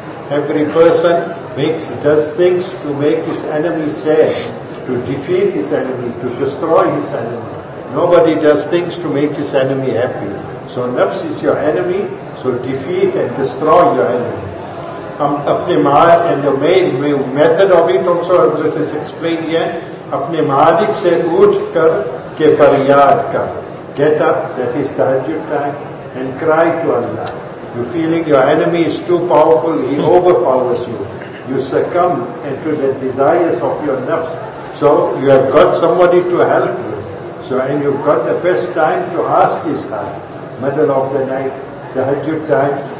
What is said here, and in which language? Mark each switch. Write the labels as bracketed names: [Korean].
[English] Every person does things to make his enemy sad, to defeat his enemy, to destroy his enemy. Nobody does things to make his enemy happy. So nafs is your enemy, so defeat and destroy your enemy. [Urdu] اپنے مال [English] and the main method of it also Hazrat has explained here. [Urdu] اپنے مالک سے اوٹھ کر کے فریاد کر. [English] Get up, that is tahajjud time, and cry to Allah. You're feeling your enemy is too powerful, he overpowers you. You succumb into the desires of your nafs. So you have got somebody to help you. So and you've got the best time to ask his help. Middle of the night, tahajjud time.